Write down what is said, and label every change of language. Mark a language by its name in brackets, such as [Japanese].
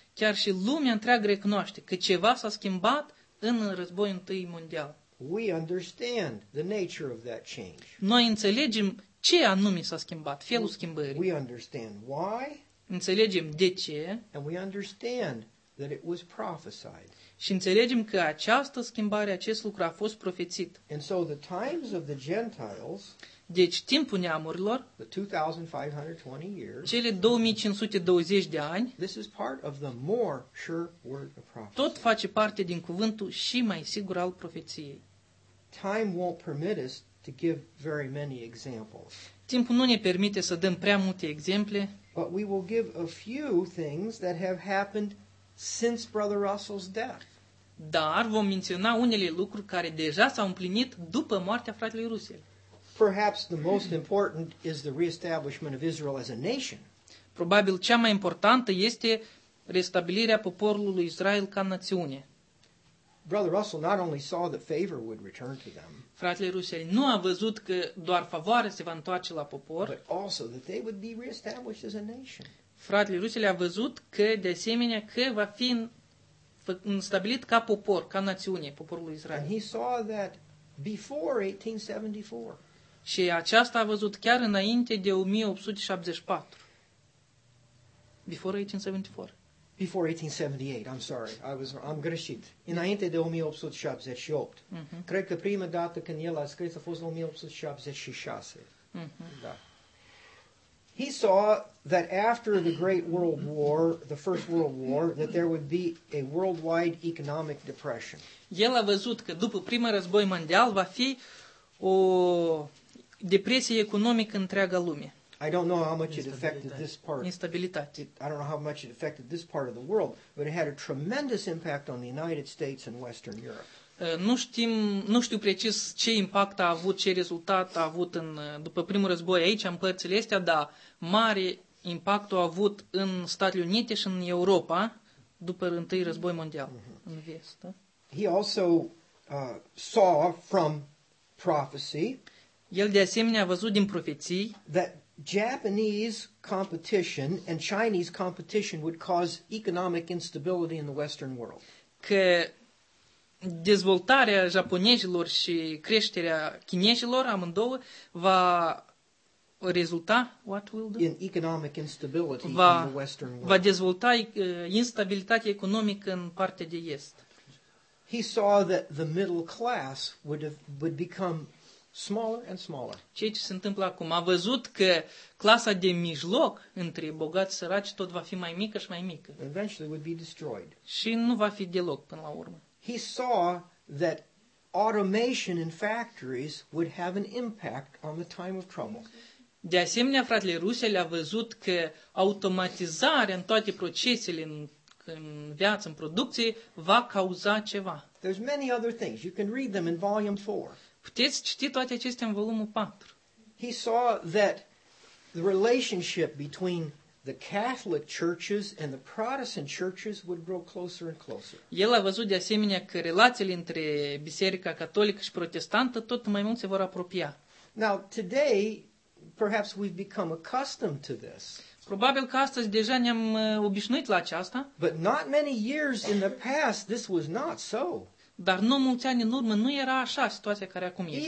[Romanian] Chiar și lumea întreagă recunoaște că ceva s-a schimbat în războiul întâi mondial. [English] We understand the nature of that change. [Romanian] Noi înțelegem ce anume s-a schimbat, felul schimbării. [English] We understand why. [Romanian] Înțelegem de ce. [English] And we understand that it was prophesied. [Romanian] Și înțelegem că această schimbare, acest lucru a fost profețit. [English] And so the times of the Gentiles. [Romanian] Deci timpul neamurilor. [English] The 2520 years. [Romanian] Cele 2520 de ani. [English] This is part of the more sure word of prophecy. [Romanian] Tot face parte din cuvântul și mai sigur al profeției. [English] Time won't permit us to give very many examples. [Romanian] Timpul nu ne permite să dăm prea multe exemple. [English] But we will give a few things that have happened since Brother Russell's death. [Romanian] Dar vom menționa unele lucruri care deja s-au împlinit după moartea fratelui Russell. [English] Perhaps the most important is the reestablishment of Israel as a nation. [Romanian] Probabil cea mai importantă este restabilirea poporului Israel ca națiune. [English] Brother Russell not only saw that favor would return to them. [Romanian] Fratele Russell nu a văzut că doar favoarea se va întoarce la popor. [English] But also that they would be reestablished as a nation. [Romanian] Fratele Russell a văzut că de asemenea că va fi stabilit ca popor, ca națiune, poporul Israel. [English] And he saw that before 1874. [Romanian] Și aceasta a văzut chiar înainte de 1874. [English] Before 1874. before 1878, I'm sorry, [Romanian] am greșit. Înainte de 1878. Mm-hmm. Cred că prima dată când el a scris a fost 1876. Mm-hmm. Da. [English] He saw that after the Great World War, the First World War, that there would be a worldwide economic depression. [Romanian] El a văzut că după primul război mondial va fi o depresie economică întreaga lume. [English] I don't know how much it affected this part. [Romanian] Instabilitate. [English] I don't know how much it affected this part of the world, but it had a tremendous impact on the United States and Western Europe. [Romanian] Nu știu precis ce impact a avut, ce rezultat a avut după primul război aici, în părțile astea, dar mare impact a avut în Statele Unite și în Europa după întâi război mondial, mm-hmm. în vest. [English] He also saw from prophecy. [Romanian] El de asemenea a văzut din profeții [English] that Japanese competition and Chinese competition would cause economic instability in the Western world. [Romanian] Că dezvoltarea japonezilor și creșterea chinezilor amândouă va rezulta [English] what will do? In economic instability va, in the Western world. [Romanian] Va dezvolta instabilitatea economică în partea de est. [English] He saw that the middle class would become smaller and smaller. [Romanian] Ceea ce se întâmplă acum, a văzut că clasa de mijloc între bogați și săraci tot va fi mai mică și mai mică. [English] Eventually would be destroyed. [Romanian] Și nu va fi deloc până la urmă. [English] He saw that automation in factories would have an impact on the time of trouble. [Romanian] De asemenea, fratele Rusel a văzut că automatizarea în toate procesele în viață, în producție, va cauza ceva. [English] There's many other things. You can read them in volume 4. [Romanian] Puteți citi toate acestea în volumul 4. [English] He saw that the relationship between the Catholic churches and the Protestant churches would grow closer and closer. [Romanian] El a văzut de asemenea că relațiile între Biserica Catolică și Protestantă tot mai mult se vor apropia. [English] Now, today, perhaps we've become accustomed to this. [Romanian] Probabil că astăzi deja ne-am obișnuit la aceasta. [English] But not many years in the past, this was not so. [Romanian] Dar nu mulți ani în urmă nu era așa situația care acum este.